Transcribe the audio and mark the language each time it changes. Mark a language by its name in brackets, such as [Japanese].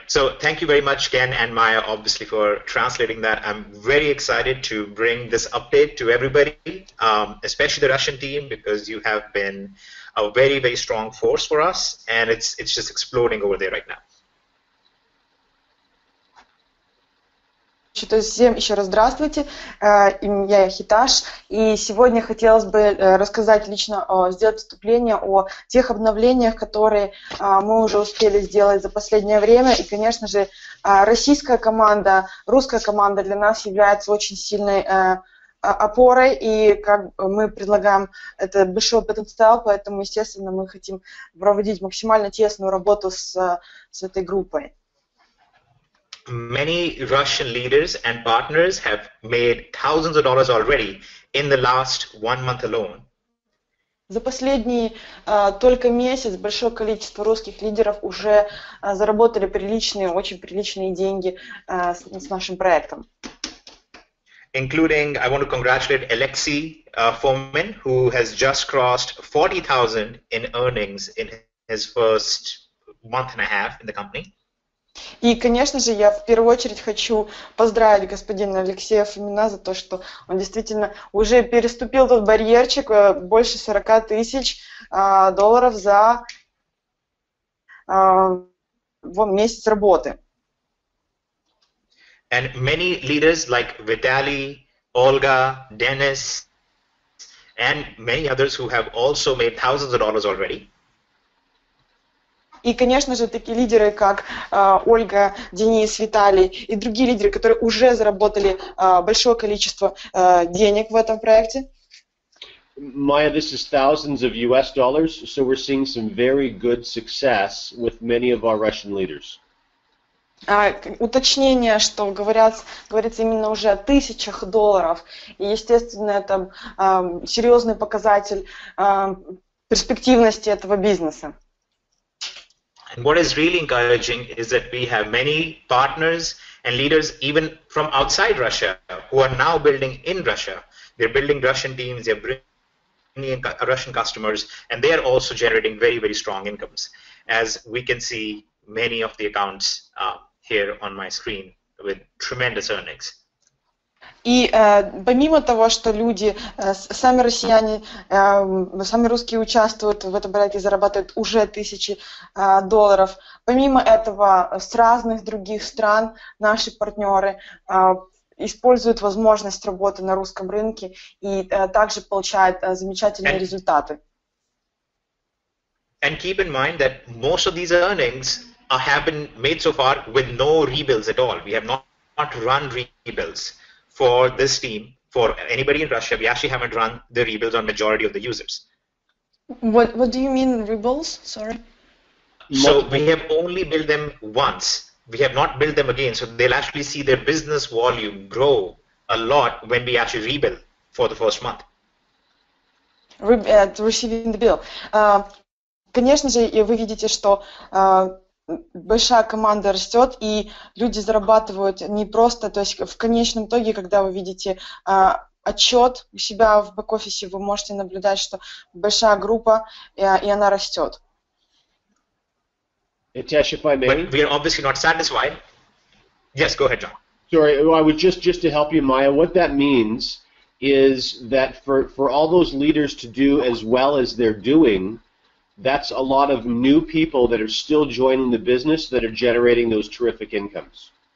[English] So thank you very much, Ken and Maya, obviously, for translating that. I'm very excited to bring this update to everybody, especially the Russian team, because you have been a very, very strong force for us, and it's just exploding over there right now. [Russian] То есть всем еще раз здравствуйте, я Хитеш, и сегодня хотелось бы рассказать лично, сделать вступление о тех обновлениях, которые мы уже успели сделать за последнее время, и, конечно же, российская команда, русская команда для нас является очень сильной опорой, и как мы предлагаем это большой потенциал, поэтому, естественно, мы хотим проводить максимально тесную работу с этой группой. [English] Many Russian leaders and partners have made thousands of dollars already in the last one month alone. [Russian] За последний только месяц большое количество русских лидеров уже заработали приличные, очень приличные деньги с нашим проектом. [English] Including, I want to congratulate Alexei Fomin, who has just crossed 40,000 in earnings in his first month and a half in the company. [Russian] И, конечно же, я в первую очередь хочу поздравить господина Алексея Фомина за то, что он действительно уже переступил тот барьерчик больше 40 тысяч долларов за месяц работы. [English] And many leaders like Vitaly, Olga, Dennis, and many others who have also made thousands of dollars already. [Russian] И, конечно же, такие лидеры, как Ольга, Денис, Виталий и другие лидеры, которые уже заработали большое количество денег в этом проекте. [English] Maya, this is thousands of US dollars, so we're seeing some very good success with many of our Russian leaders. [Russian] Уточнение, что говорится именно уже о тысячах долларов. И, естественно, это серьезный показатель перспективности этого бизнеса. [English] And what is really encouraging is that we have many partners and leaders even from outside Russia who are now building in Russia. They're building Russian teams, they're bringing Russian customers, and they are also generating very, very strong incomes, as we can see many of the accounts here on my screen with tremendous earnings. [Russian] И помимо того, что люди, сами россияне, сами русские участвуют в этом проекте и зарабатывают уже тысячи долларов, помимо этого, с разных других стран наши партнеры используют возможность работы на русском рынке и также получают замечательные результаты. [English] And keep in mind that most of these earnings have been made so far with no rebills at all. We have not run rebills. For this team, for anybody in Russia, we actually haven't run the rebuilds on majority of the users. What do you mean rebuilds? Sorry. So we have only billed them once. We have not billed them again. So they'll actually see their business volume grow a lot when we actually rebuild for the first month. Receiving the bill. [Russian] Конечно же, вы видите, что большая команда растет, и люди зарабатывают не просто, то есть в конечном итоге, когда вы видите отчет у себя в бэк-офисе, вы можете наблюдать, что большая группа, и она растет. [English] Itesh, if I may. But we are obviously not satisfied. Yes, go ahead, John. Sorry, I would just to help you, Maya, what that means is that for all those leaders to do as well as they're doing, that's a lot of new people that are still joining the business that are generating those terrific incomes.